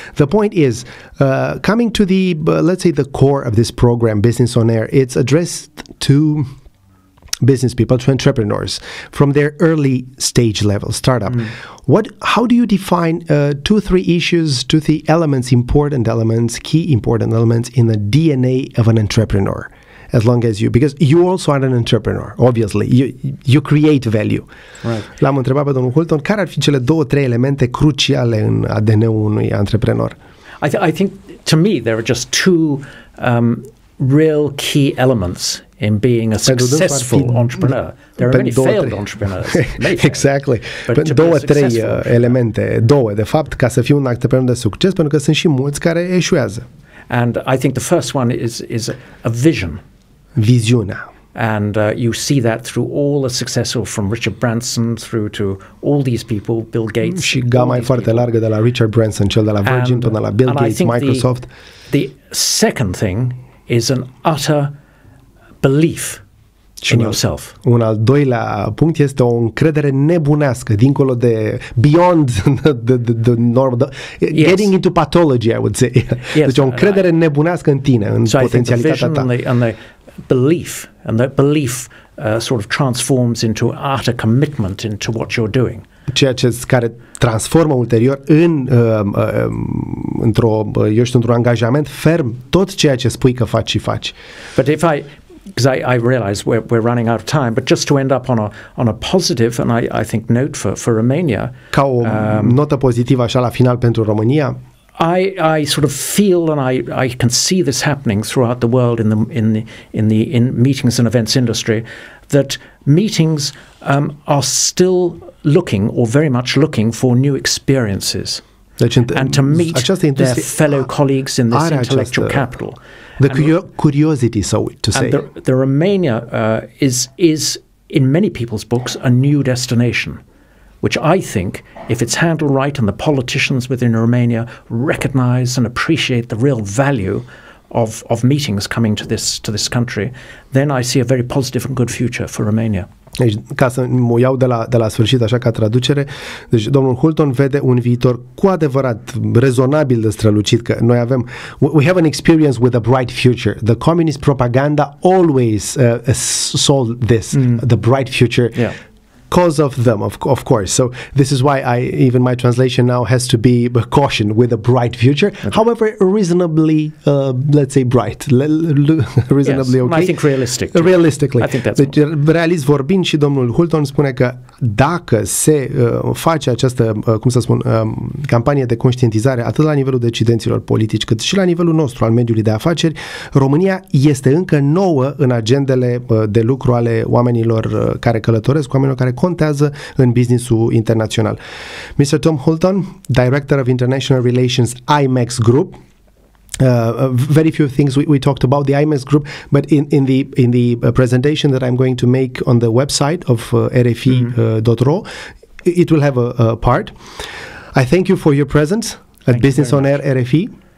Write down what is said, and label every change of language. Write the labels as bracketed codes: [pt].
[en] The point is, coming to the, let's say, the core of this program, Business on Air, it's addressed to business people, to entrepreneurs, from their early stage level, startup. Mm. How do you define two, three issues, two, three elements, important elements, key important elements in the DNA of an entrepreneur? As long as you, because you also are an entrepreneur, obviously, you create value. Right. [ro] L-am întrebat pe domnul Hulton, care ar fi cele două, trei elemente cruciale în ADN-ul unui antreprenor? [en] I think, to me, there are just two real key elements in being a successful entrepreneur. There are many failed entrepreneurs. Exactly. [ro] But două, trei elemente, două, de fapt, ca să fii un antreprenor de succes, pentru că sunt și mulți care eșuează. [en] And I think the first one is a vision. [ro] Viziunea. [en] And you see that through all the successful, from Richard Branson through to all these people, Bill Gates. [ro] Și gama e foarte largă, de la Richard Branson, cel de la Virgin, până la Bill Gates, Microsoft. [en] The second thing is an utter belief in yourself. [ro] Un al doilea punct este o încredere nebunească, dincolo de, [en] beyond the normal, getting into pathology, I would say. Yes, [ro] deci o încredere nebunească în tine, în potențialitatea ta. [en] So I think the vision and the belief, and that belief sort of transforms into utter commitment into what you're doing. [ro] Ceea ce care transformă ulterior în într-un angajament ferm tot ceea ce spui că faci și faci. [en] But if I, because I realize we're running out of time, but just to end up on a positive, and I think note for Romania. [ro] Ca o notă pozitivă așa la final pentru România. [en] I sort of feel and I can see this happening throughout the world in meetings and events industry, that meetings are still looking or very much looking for new experiences. [ro] Deci, [en] and to meet their fellow colleagues in this intellectual capital. The curiosity, so to say. And the Romania is in many people's books a new destination, which I think, if it's handled right and the politicians within Romania recognize and appreciate the real value of meetings coming to this country, then I see a very positive and good future for Romania. [ro] Deci, ca să mă iau de la sfârșit așa ca traducere, deci domnul Hulton vede un viitor cu adevărat rezonabil de strălucit, că noi avem, [en] we have an experience with a bright future. The communist propaganda always sold this, the bright future. Yeah. Because of them, of course. So this is why I, even my translation now has to be a caution with a bright future. Okay. However, reasonably, let's say bright. Reasonably, yes, okay. I think realistic. Realistically. I think that's [ro] deci, realist vorbind, și domnul Hulton spune că dacă se face această, cum să spun, campanie de conștientizare, atât la nivelul decidenților politici, cât și la nivelul nostru, al mediului de afaceri, România este încă nouă în agendele de lucru ale oamenilor care călătoresc, oamenilor care contează în businessul internațional. [en] Mr. Tom Hulton, Director of International Relations, IMAX Group. Very few things we talked about the IMAX Group, but in the presentation that I'm going to make on the website of RFI.ro, it will have a part. I thank you for your presence at Business on Air RFI.